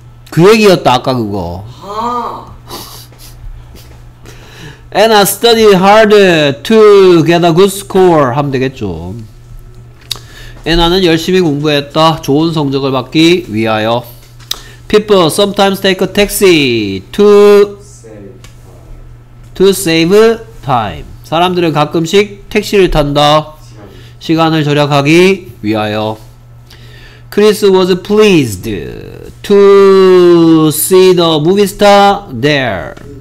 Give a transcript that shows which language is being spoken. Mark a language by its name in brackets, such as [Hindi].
[Korean] 그 얘기였다, 아까 그거. [English] And I study hard to get a good score [Korean] 하면 되겠죠. And 나는 열심히 공부했다. 좋은 성적을 받기 위하여. [English] People sometimes take a taxi to save time. [Korean] 사람들은 가끔씩 택시를 탄다. 시간을 절약하기 위하여. [English] Chris was pleased to see the movie star there.